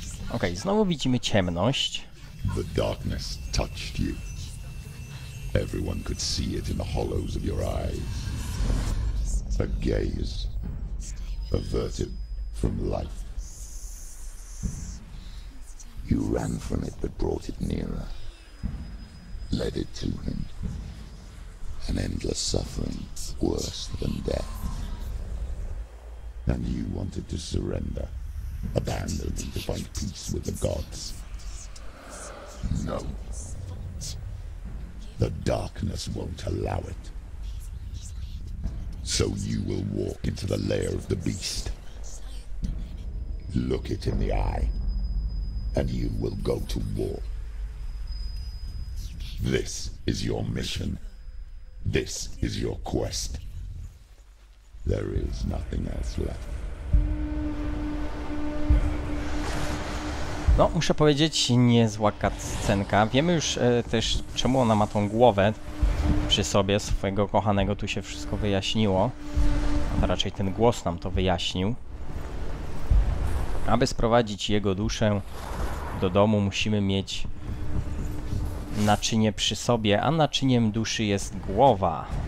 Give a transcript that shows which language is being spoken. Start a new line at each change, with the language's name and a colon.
Polish: Okej, znowu widzimy ciemność.
English: The darkness touched you. Everyone could see it in the hollows of your eyes. A gaze averted from life. You ran from it but brought it nearer. Led it to him. An endless suffering worse than death. And you wanted to surrender, abandon, and to find peace with the gods. No. The darkness won't allow it. So you will walk into the lair of the beast. Look it in the eye, and you will go to war. This is your mission. This is your quest. There is nothing else left.
Polish: No, muszę powiedzieć, niezła scenka. Wiemy już też, czemu ona ma tą głowę przy sobie swojego kochanego. Tu się wszystko wyjaśniło. A raczej ten głos nam to wyjaśnił. Aby sprowadzić jego duszę do domu, musimy mieć naczynie przy sobie, a naczyniem duszy jest głowa.